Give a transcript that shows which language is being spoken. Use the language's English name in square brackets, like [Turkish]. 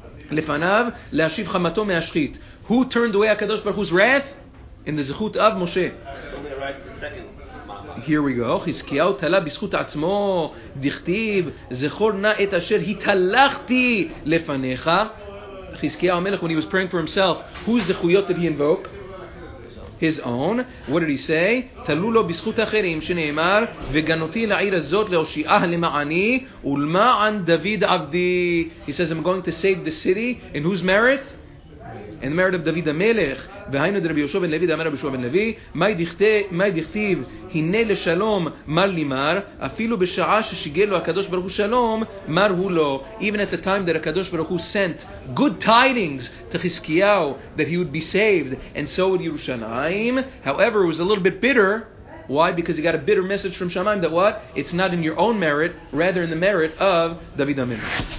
[Hebrew] לפניו להשיב חמתו מהשחית. [English] Who turned away HaKadosh Baruch Hu's wrath? In the זכות of Moshe. Here we go. [Hebrew] חזקיהו תלה בזכות עצמו דכתיב זכור נא את אשר התהלכתי לפניך. [English] חזקיהו המלך, when he was praying for himself, whose זכויות did he invoke? His own. What did he say? [Hebrew] תלו לו בזכות אחרים שנאמר וגנותי לעיר הזאת להושיעה למעני ולמען דוד עבדי. [English] He says, I'm going to save the city. In whose merit? In the merit of David המלך. [Hebrew] והיינו דרבי יהושע בן לוי דאמר רבי יהושע בן לוי מי דכתיב הנה לשלום מר לי מר אפילו בשעה ששיגל לו הקדוש ברוך הוא שלום מר הוא לו. [English] Even at the time that הקדוש ברוך הוא sent good tidings to חזקיהו that he would be saved and so would Yerushalayim, however it was a little bit bitter. Why? Because he got a bitter message from Shamayim that what? It's not in your own merit, rather in the merit of David המלך.